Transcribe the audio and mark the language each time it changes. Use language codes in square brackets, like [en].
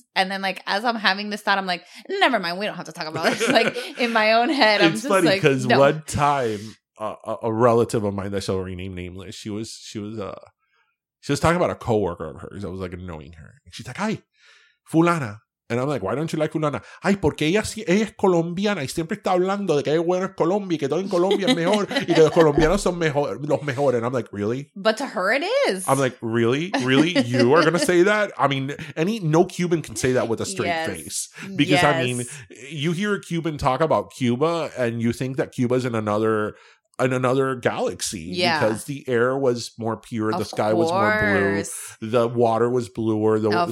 [es] And then, like, as I'm having this thought, I'm like, never mind. We don't have to talk about this. Like, in my own head, I'm just like, it's funny because one time a relative of mine that shall remain nameless, she was talking about a coworker of hers. I was, like, annoying her. And she's like, ay, fulana. And I'm like, why don't you like fulana? Ay, porque ella es colombiana y siempre está hablando de que hay buenos Colombia y que todo en Colombia es mejor y que los colombianos son los mejores. [en] And I'm like, really? But to her it is. I'm like, really? Really? You are going to say that? I mean, no Cuban can say that with a straight yes. face. Because, yes. I mean, you hear a Cuban talk about Cuba and you think that Cuba is in another galaxy yeah. because the air was more pure, of the sky course. Was more blue, the water was bluer the, and